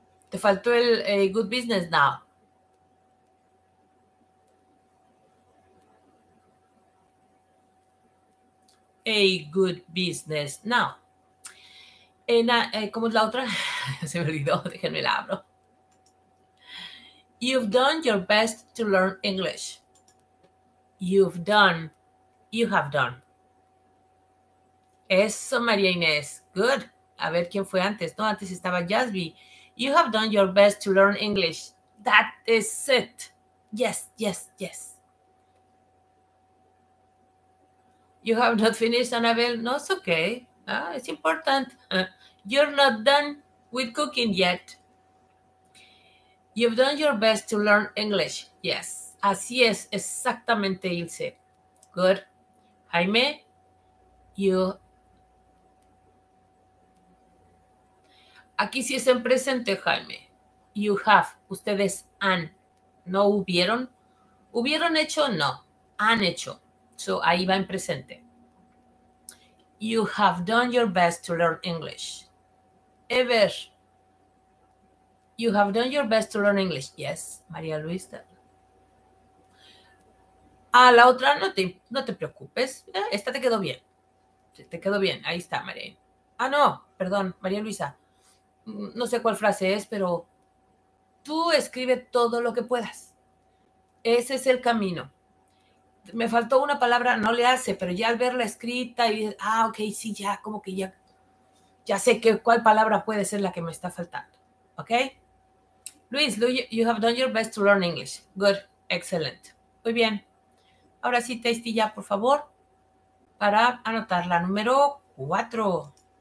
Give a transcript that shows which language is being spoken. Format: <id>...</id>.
<es>Te faltó el good business now.</es> <en>A good business now.</en> <es>¿Cómo es la otra? Se me olvidó, déjenme la abro.</es> <en>You've done your best to learn English. You have done.</en> <es>Eso, María Inés. Good. A ver quién fue antes. No, antes estaba Jasby.</es> <en>You have done your best to learn English. That is it. Yes, yes, yes. You have not finished, Annabelle. No, it's okay. It's important. You're not done with cooking yet. You've done your best to learn English.</en> <es>Yes. Así es, exactamente, Ilse. Good. Jaime, aquí sí es en presente, Jaime.</es> <en>You have.</en> <es>Ustedes han. ¿No hubieron? ¿Hubieron hecho? No. Han hecho. So, ahí va en presente.</es> <en>You have done your best to learn English. Ever. You have done your best to learn English. Yes, María Luisa.</en> <es>Ah, la otra, no te preocupes. Esta te quedó bien. Te quedó bien. Ahí está, María. Ah, no. Perdón, María Luisa. No sé cuál frase es, pero tú escribe todo lo que puedas. Ese es el camino. Me faltó una palabra, no le hace, pero ya al verla escrita, y ok, sí, ya, como que ya sé que cuál palabra puede ser la que me está faltando. ¿Ok?</es> <en>Luis, you have done your best to learn English. Good, excellent.</en> <es>Muy bien. Ahora sí, Tasty, ya, por favor, para anotar la número 4.</es>